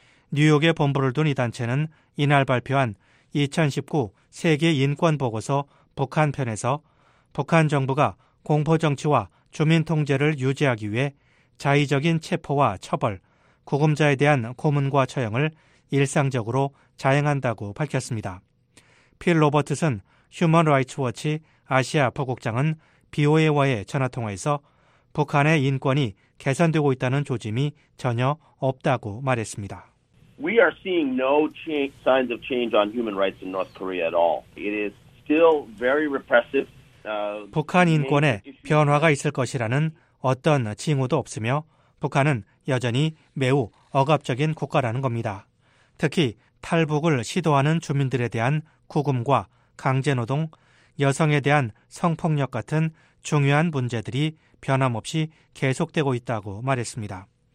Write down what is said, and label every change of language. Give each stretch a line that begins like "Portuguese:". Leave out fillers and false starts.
Korean: 뉴욕에 본부를 둔 이 단체는 이날 발표한 2019 세계인권보고서 북한 편에서 북한 정부가 공포정치와 주민통제를 유지하기 위해 자의적인 체포와 처벌, 구금자에 대한 고문과 처형을 일상적으로 자행한다고 밝혔습니다. 필 로버트슨 휴먼 라이츠 워치 아시아 부국장은 BOA와의 전화통화에서 북한의 인권이 개선되고 있다는 조짐이 전혀 없다고 말했습니다.
English: We are seeing no signs of change on human rights in North Korea at all. It is still very repressive.
Korean: 북한 인권에 변화가 있을 것이라는 어떤 징후도 없으며 북한은 여전히 매우 억압적인 국가라는 겁니다. 특히 탈북을 시도하는 주민들에 대한 구금과 강제노동, 여성에 대한 성폭력 같은 중요한 문제들이 변함없이 계속되고 있다고 말했습니다.